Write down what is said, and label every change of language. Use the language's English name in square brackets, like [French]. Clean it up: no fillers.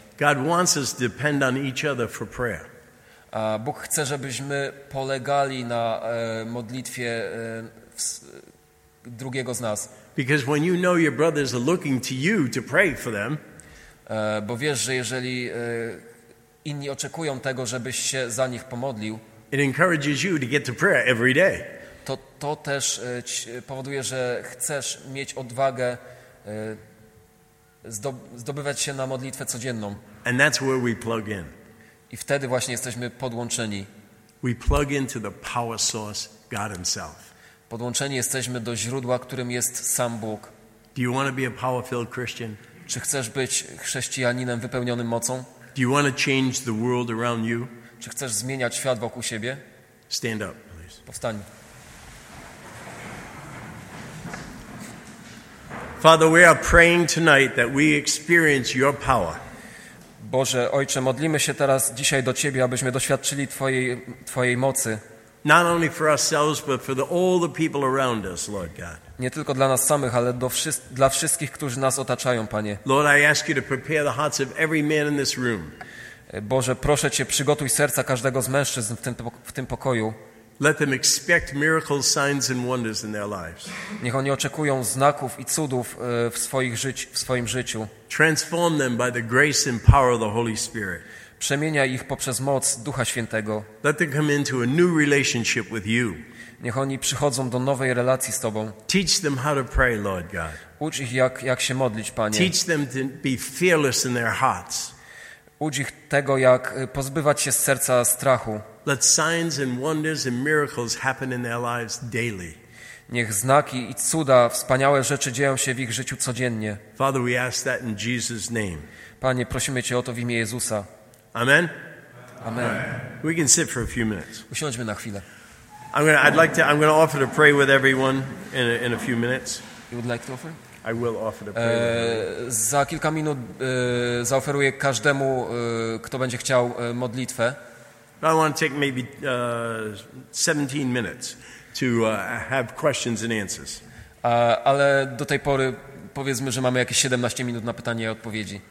[English] God wants us to depend on each other for prayer. [Polish] A Bóg chce, żebyśmy polegali na modlitwie drugiego z nas. [English] Because when you know your brothers are looking to you to pray for them, [Polish] bo wiesz, że jeżeli inni oczekują tego, żebyś się za nich pomodlił, [English] it encourages you to get to prayer every day. [Polish] To też powoduje, że chcesz mieć odwagę zdobywać się na modlitwę codzienną. [English] And that's where we plug in. [Polish] I wtedy właśnie jesteśmy podłączeni. [English] We plug into the power source, God himself. [Polish] Podłączeni jesteśmy do źródła, którym jest sam Bóg. [English] Do you want to be a power-filled Christian? [Polish] Czy chcesz być chrześcijaninem wypełnionym mocą? [English] Do you want to change the world around you? [Polish] Czy chcesz zmieniać świat wokół siebie? [English] Stand up, please. [Polish] Powstań. [English] Father, we are praying tonight that we experience your power. [Polish] Boże, Ojcze, modlimy się teraz dzisiaj do Ciebie, abyśmy doświadczyli Twojej mocy. [English] Not only for ourselves, but for all the people around us, Lord God. [Polish] Nie tylko dla nas samych, ale dla wszystkich, którzy nas otaczają, Panie. [English] Lord, I ask you to prepare the hearts of every man in this room. [Polish] Boże, proszę Cię, przygotuj serca każdego z mężczyzn w tym pokoju. [English] Let them expect miracles, signs and wonders in their lives. [Polish] Niech oni oczekują znaków i cudów w swoim życiu. [English] Transform them by the grace and power of the Holy Spirit. [Polish] przemienia ich poprzez moc Ducha Świętego. [English] Let them come into a new relationship with you. [Polish] Niech oni przychodzą do nowej relacji z Tobą. [English] Teach them how to pray, Lord God. [Polish] Ucz ich, jak się modlić, Panie. [English] Teach them to be fearless in their hearts. [Polish] Ucz ich tego, jak pozbywać się z serca strachu. [English] Let signs and wonders and miracles happen in their lives daily. [Polish] Niech znaki i cuda, wspaniałe rzeczy dzieją się w ich życiu codziennie. [English] Father, we ask that in Jesus' name. [Polish] Panie, prosimy Cię o to w imię Jezusa. [English] Amen. [Polish] Amen. [English] We can sit for a few minutes. [Polish] Usiądźmy na chwilę. [English] I'm going to offer to pray with everyone in a few minutes. You would like to offer? I will offer to pray. [Polish] Za kilka minut zaoferuję każdemu, kto będzie chciał, modlitwę. [English] But I want to take maybe 17 minutes to have questions and answers. [Polish] Ale do tej pory powiedzmy, że mamy jakieś 17 minut na pytania i odpowiedzi.